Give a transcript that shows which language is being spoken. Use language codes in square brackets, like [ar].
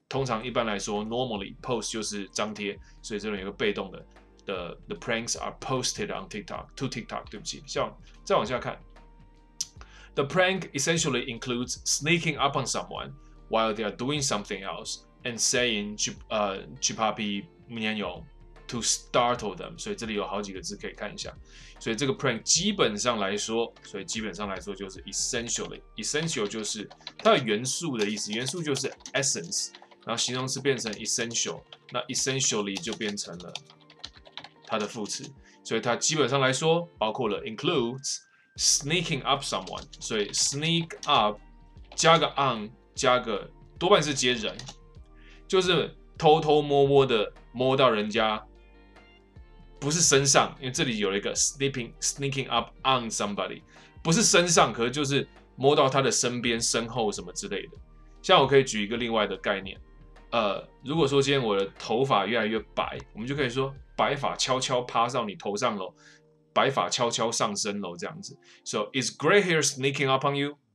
[zh] 通常一般来说 ，normally post 就是张贴，所以这里有个被动的 ， [en] the pranks are posted on TikTok to TikTok。 [zh] 对不起，像再往下看 [en] ，the prank essentially includes sneaking up on someone while they are doing something else and saying chupapim nyanyo to startle them。 [zh] 所以这里有好几个字可以看一下。所以这个 prank 基本上来说就是 essentially 就是它的元素的意思，元素就是 essence。然后形容词变成 essential， 那 essentially 就变成了它的副词，所以它基本上来说包括了 [en] includes sneaking up someone， [zh] 所以 sneak up 加个 on 加个多半是接人，就是偷偷摸摸的摸到人家不是身上，因为这里有一个 [en] sneaking up on somebody， [zh] 不是身上，可是就是摸到他的身边、身后什么之类的。像我可以举一个另外的概念，如果说今天我的头发越来越白，我们就可以说白发悄悄趴上你头上喽，白发悄悄上身喽，这样子。 [en] So is gray hair sneaking up on you?